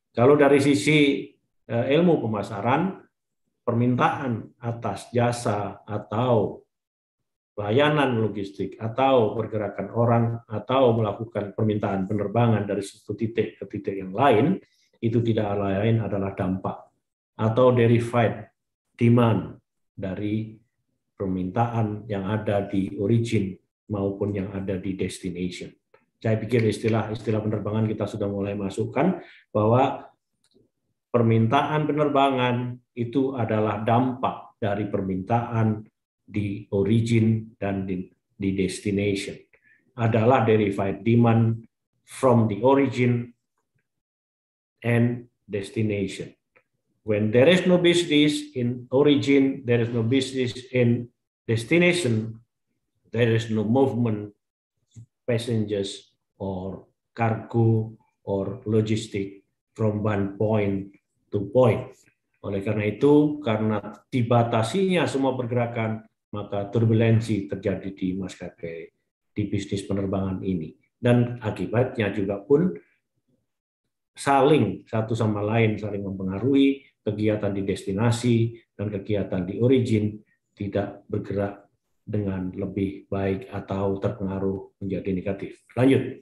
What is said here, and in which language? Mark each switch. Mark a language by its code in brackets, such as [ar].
[id] Kalau dari sisi ilmu pemasaran, permintaan atas jasa atau layanan logistik atau pergerakan orang atau melakukan permintaan penerbangan dari satu titik ke titik yang lain, itu tidak lain adalah dampak atau derived demand dari permintaan yang ada di origin maupun yang ada di destination. Saya pikir istilah-istilah penerbangan kita sudah mulai masukkan bahwa permintaan penerbangan itu adalah dampak dari permintaan di origin dan di destination. [en] Adalah derived demand from the origin and destination. When there is no business in origin, there is no business in destination, there is no movement passengers or cargo or logistic from one point to point. [id] Oleh karena itu, karena dibatasinya semua pergerakan, maka turbulensi terjadi di maskapai, di bisnis penerbangan ini. Dan akibatnya juga pun saling, satu sama lain saling mempengaruhi, kegiatan di destinasi dan kegiatan di origin tidak bergerak dengan lebih baik atau terpengaruh menjadi negatif. Lanjut.